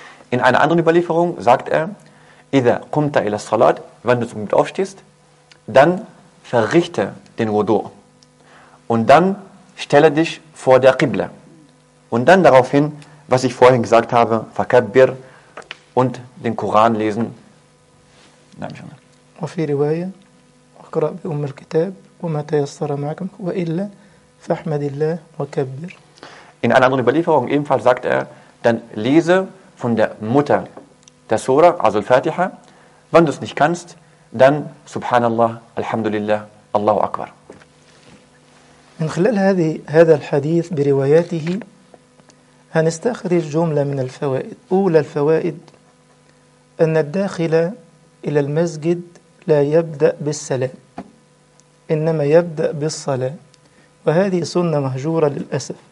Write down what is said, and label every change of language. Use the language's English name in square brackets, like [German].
[German] In einer anderen Überlieferung sagt er, [Arabic] إذا قمت إلى الصلاة, [German] wenn du zum Gebet aufstehst, dann verrichte den Wudu. Und dann stelle dich vor der Qibla. Und dann daraufhin, was ich vorhin gesagt habe, [Arabic] فكبر [German] und den Koran lesen. [Arabic] نعم شاء الله. وفي رواية اقرأ بأم الكتاب وما تيسر معكم وإلا فاحمد الله وكبر. [German] In einer anderen Überlieferung ebenfalls sagt er, dann lese von der Mutter der Sura, also Al-Fatiha. Wenn du es nicht kannst, dann Subhanallah, Alhamdulillah, Allahu Akbar. [Arabic] من خلال هذا الحديث برواياته هنستخرج جملة من الفوائد. أولى الفوائد أن الداخل إلى المسجد لا يبدأ بالسلام إنما يبدأ بالصلاة، وهذه سنة مهجورة للأسف.